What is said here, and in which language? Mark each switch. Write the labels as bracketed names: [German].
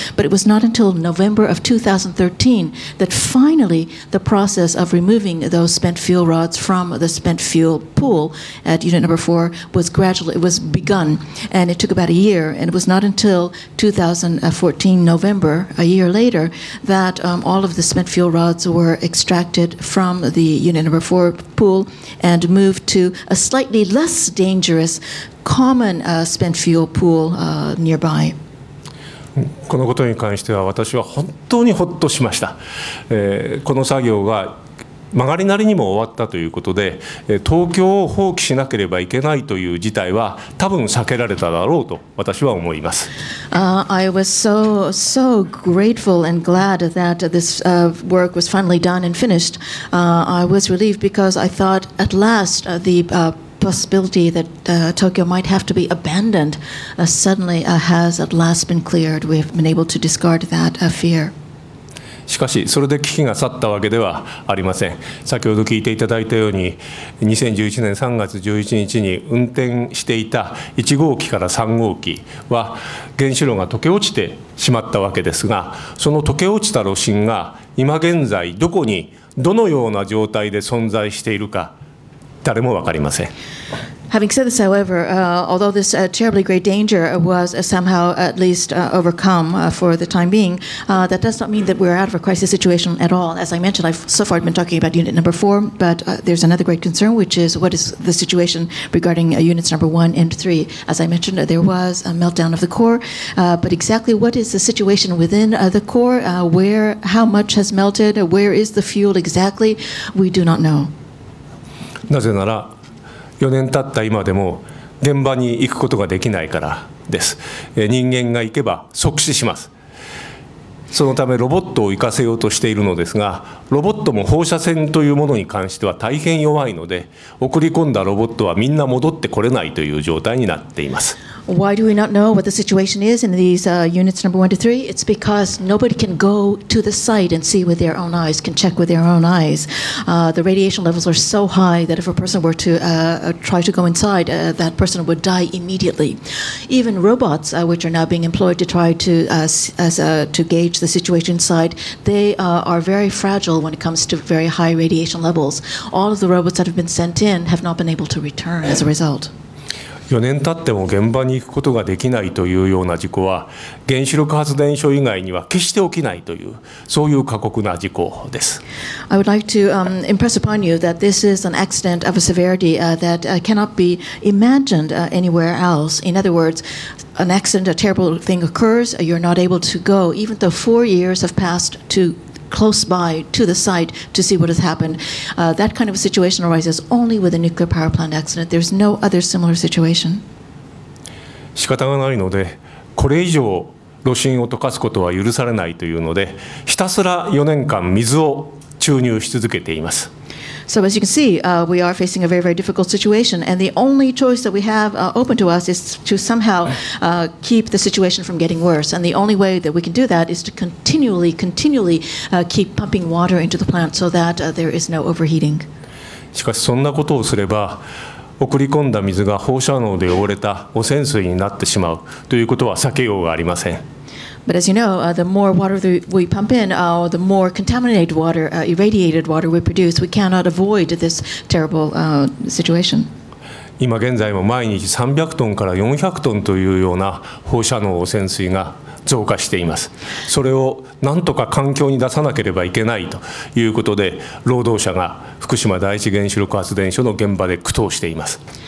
[English] But it was not until November of 2013 that finally the process of removing those spent fuel rods from the spent fuel pool at unit number four was gradually, it was begun, and it took about a year, and it was not until 2014 November, a year later, that all of the spent fuel rods were extracted from the unit number four pool and moved to a slightly less dangerous common spent fuel pool nearby. [Japanese] このことに関しては私は本当にほっとしました。この作業が曲がりなりにも終わったということで、東京を放棄しなければいけないという事態は多分避けられただろうと私は思います。 [English] I was so, so grateful and glad that this work was finally done and finished. I was relieved because I thought at last the possibility that Tokyo might have to be abandoned suddenly has at last been cleared. We've been able to discard that fear. [Japanese] しかしそれで危機が去ったわけではありません。先ほど聞いていただいたように、2011年3月11日に運転していた1号機から3号機は原子炉が溶け落ちてしまったわけですが、その溶け落ちた炉心が今現在どこにどのような状態で存在しているか誰も分かりません。 [English] Having said this, however, although this terribly great danger was somehow at least overcome for the time being, that does not mean that we're out of a crisis situation at all. As I mentioned, I've so far been talking about unit number four, but there's another great concern, which is what is the situation regarding units number one and three. As I mentioned, there was a meltdown of the core, but exactly what is the situation within the core, where, how much has melted, where is the fuel exactly, we do not know. [Japanese] なぜなら4年経った今でも現場に行くことができないからです。人間が行けば即死します。そのためロボットを生かせようとしているのですが、ロボットも放射線というものに関しては大変弱いので、送り込んだロボットはみんな戻ってこれないという状態になっています。 [English] Why do we not know what the situation is in these units number 1 to 3? It's because nobody can go to the site and see with their own eyes, can check with their own eyes. The radiation levels are so high that if a person were to try to go inside, that person would die immediately. Even robots which are now being employed to try to, to gauge the situation inside, they are very fragile when it comes to very high radiation levels. All of the robots that have been sent in have not been able to return as a result. [Japanese] 4年経っても現場に行くことができないというような事故は、原子力発電所以外には決して起きないという、そういう過酷な事故です。 [English] I would like to impress upon you that this is an accident of a severity that cannot be imagined anywhere else. In other words, an accident, a terrible thing occurs, you're not able to go, even though 4 years have passed toclose by to the site to see what has happened. That kind of situation arises only with a nuclear power plant accident. There's no other similar situation. [Japanese] 仕方がないので、これ以上炉心を溶かすことは許されないというので、ひたすら4年間水を注入し続けています。 [English] So as you can see, we are facing a very, very difficult situation, and the only choice that we have open to us is to somehow keep the situation from getting worse. And the only way that we can do that is to continually keep pumping water into the plant so that there is no overheating. [Japanese] しかしそんなことをすれば、送り込んだ水が放射能で汚れた汚染水になってしまうということは避けようがありません。 [English] But as you know, the more water we pump in, the more contaminated water, irradiated water we produce. We cannot avoid this terrible situation. [Japanese] 今現在も毎日300トンから400トンというような放射能汚染水が増加しています。それを何とか環境に出さなければいけないということで、労働者が福島第一原子力発電所の現場で苦闘しています。